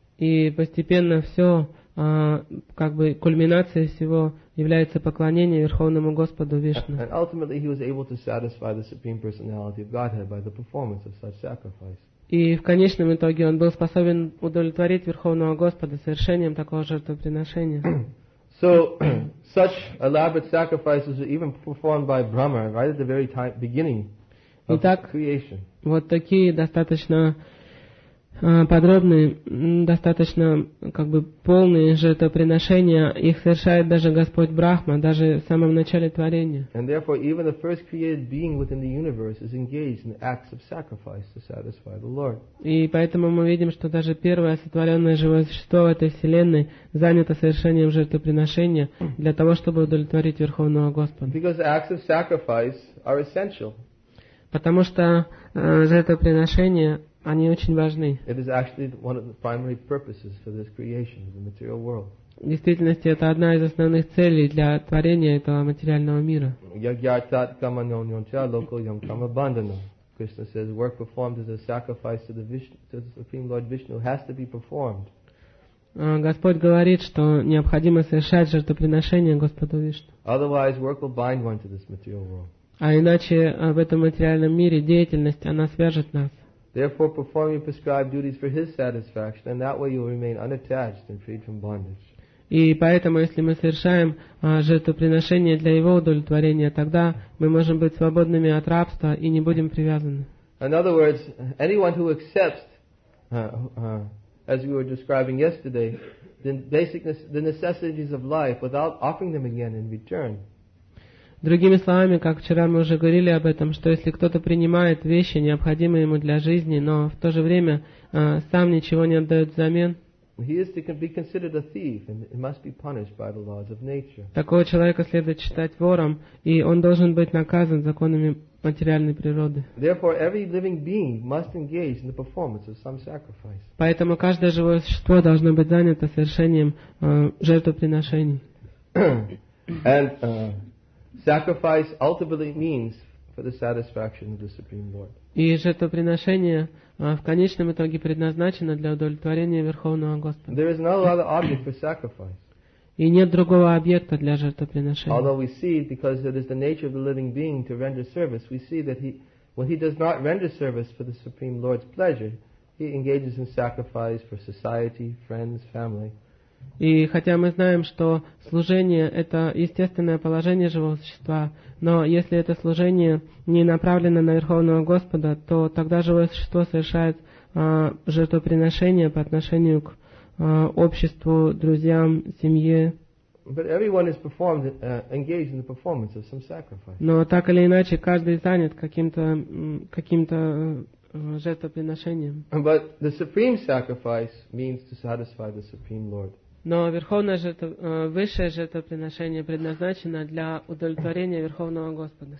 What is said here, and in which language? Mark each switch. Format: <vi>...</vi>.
<ru>И постепенно все, как бы кульминацией всего, является поклонение Верховному Господу Вишну.</ru> <en>And ultimately he was able to satisfy the Supreme Personality of Godhead by the performance of such sacrifice.</en> <ru>И в конечном итоге он был способен удовлетворить Верховного Господа совершением такого жертвоприношения.</ru> <en>So, such elaborate sacrifices were even performed by Brahma right at the very beginning of</en> <ru>Итак,</ru> <en>creation.</en> <ru>Вот такие достаточно подробные, достаточно как бы полные жертвоприношения, их совершает даже Господь Брахма, даже в самом начале творения.</ru> <en>And therefore, even the first created being within the universe is engaged in acts of sacrifice to satisfy the Lord.</en> <ru>И поэтому мы видим, что даже первое сотворенное живое существо в этой вселенной занято совершением жертвоприношения для того, чтобы удовлетворить Верховного Господа.</ru> <en>Because acts of sacrifice are essential.</en> <ru>Потому что жертвоприношения они очень важны.</ru> <en>It is actually one of the primary purposes for this creation of the material world.</en> <ru>В действительности, это одна из основных целей для творения этого материального мира.</ru> <en>Krishna says, work performed as a sacrifice to the Supreme Lord Vishnu has to be performed.</en> <ru>Господь говорит, что необходимо совершать жертвоприношение Господу Вишну.</ru> <en>Otherwise, work will bind one to this material world.</en> <ru>А иначе в этом материальном мире деятельность, она свяжет нас.</ru> <en>Therefore, perform your prescribed duties for his satisfaction, and that way you will remain unattached and freed from bondage.</en> <ru>И поэтому, если мы совершаем жертвоприношение для Его удовлетворения, тогда мы можем быть свободными от рабства и не будем привязаны.</ru> <en>In other words, anyone who accepts, as we were describing yesterday, the necessities of life without offering them again in return.</en> <ru>Другими словами, как вчера мы уже говорили об этом, что если кто-то принимает вещи, необходимые ему для жизни, но в то же время сам ничего не отдает взамен,</ru> <en>he is to be considered a thief, and it must be punished by the laws of nature.</en> <ru>Такого человека следует считать вором, и он должен быть наказан законами материальной природы.</ru> <en>Therefore, every living being must engage in the performance of some sacrifice.</en> <ru>Поэтому каждое живое существо должно быть занято совершением жертвоприношений.</ru> <en>And sacrifice ultimately means for the satisfaction of the Supreme Lord.</en> <ru>И жертвоприношение в конечном итоге предназначено для удовлетворения Верховного Господа.</ru> <en>There is no other object for sacrifice.</en> <ru>И нет другого объекта для жертвоприношения.</ru> <en>Although we see, because it is the nature of the living being to render service, we see that when he does not render service for the Supreme Lord's pleasure, he engages in sacrifice for society, friends, family.</en> <ru>И хотя мы знаем, что служение – это естественное положение живого существа, но если это служение не направлено на Верховного Господа, то тогда живое существо совершает жертвоприношение по отношению к обществу, друзьям, семье.</ru> <en>But everyone is performed, engaged in the performance of some sacrifice.</en> <ru>Но так или иначе, каждый занят каким-то жертвоприношением.</ru> <en>But the supreme sacrifice means to satisfy the Supreme Lord.</en> <ru>Но высшее жертвоприношение предназначено для удовлетворения Верховного Господа.</ru>